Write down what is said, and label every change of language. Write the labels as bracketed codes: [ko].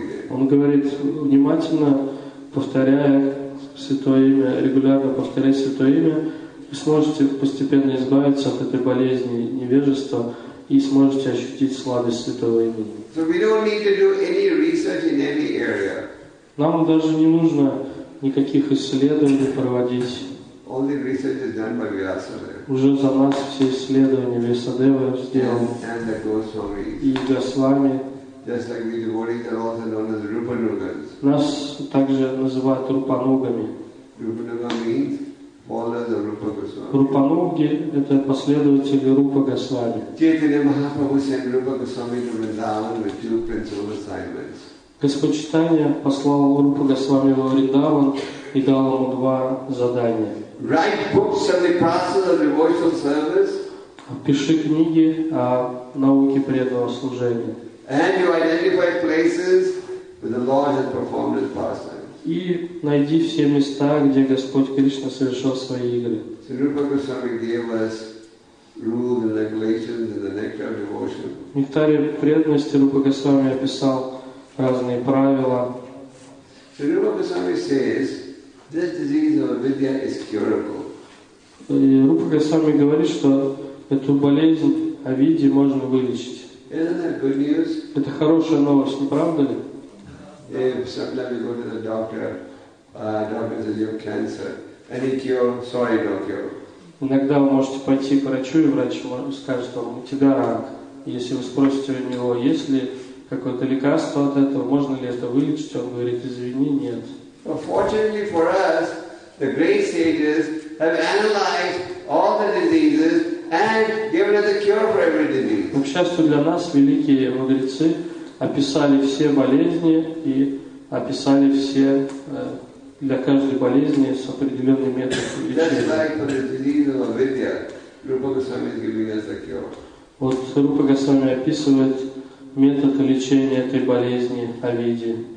[ru] Он говорит, внимательно повторяя Святое Имя, регулярно повторять Святое Имя, вы сможете постепенно избавиться от этой болезни невежества и сможете ощутить сладость Святого Имени. [en] So we don't need to do any research in any area. [ru] Нам даже не нужно никаких исследований проводить. [en] All the research is done by Vyasadeva. [ru] Уже за нас все исследования Вьясадевы сделаны. [en] And the Госвами. [ru] И Госвами. [en] Just like the devotees are also known as Rupanugas. [ru] Нас также называют Рупанугами. [en] Rupanuga means followers of Rupa Goswami. [ru] Рупануги – это последователи Рупа Госвами. [en] Chaitanya Mahaprabhu sent Rupa Goswami to Vrindavan with two principal assignments. [ru] Господь Чайтанья послал Рупа Госвами во Вриндаван и дал ему два задания. [en] Write books on the process of devotional service. [ru] Пиши книги о науке преданного служения. [en] And you identify places where the Lord has performed his pastimes. [ru] И найди все места, где Господь Кришна совершил свои игры. [en] So Rupa Goswami gave us rules and regulations in the nectar of devotion. [ru] В нектаре преданности Рупа Госвами описал разные правила. [en] So Rupa Goswami says, this disease of avidya is curable. [ru] И Рупа Госвами говорит, что эту болезнь авидьи можно вылечить. [en] Isn't that good news? [ru] Это хорошая новость, не правда ли? [en] If sometimes you go to the doctor, doctor says you have cancer, any cure? Sorry, no cure. [ru] Иногда вы можете пойти к врачу, и врач скажет вам, у тебя рак. Если вы спросите у него, есть ли какое-то лекарство от этого, можно ли это вылечить? Он говорит, извини, нет. [en] But fortunately for us, the great sages have analyzed all the diseases and given us a cure for every disease. [ru] К счастью для нас, великие мудрецы описали все болезни и описали все для каждой болезни с определенным методом лечения. [en] Just like for the disease of avidya, Rupa Goswami is giving us a cure. [ru] Вот Рупа Госвами описывает метод лечения этой болезни авидьи.